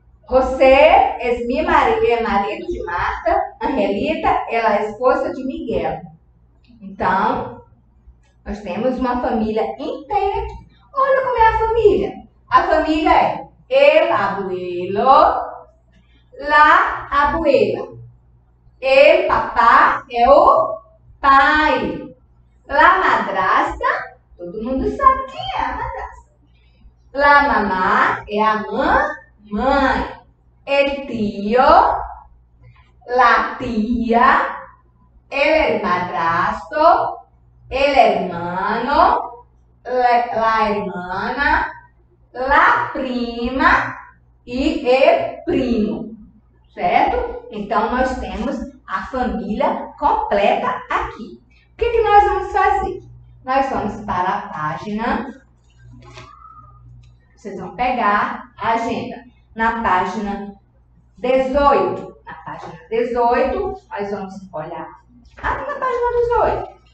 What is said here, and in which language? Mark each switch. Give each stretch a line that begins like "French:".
Spanish: José es mi marido, el marido de Marta. Angelita es la esposa de Miguel.
Portuguese: Entonces, nós temos uma família inteira aqui. Olha como é a família. A família é
Spanish: el abuelo, la abuela. El papá
Portuguese: é o pai.
Spanish: La madrasta,
Portuguese: todo mundo sabe quem é a madrasta.
Spanish: La mamá
Portuguese: é a mãe.
Spanish: El tío, la tía, el hermanastro, el hermano, la hermana, la prima y el primo, ¿cierto? Entonces, tenemos a familia completa aquí.
Portuguese: ¿Qué que nós vamos fazer? Nós vamos para a página. Vocês vão pegar a agenda na página 18. Na página 18, nós vamos olhar aqui na página 18.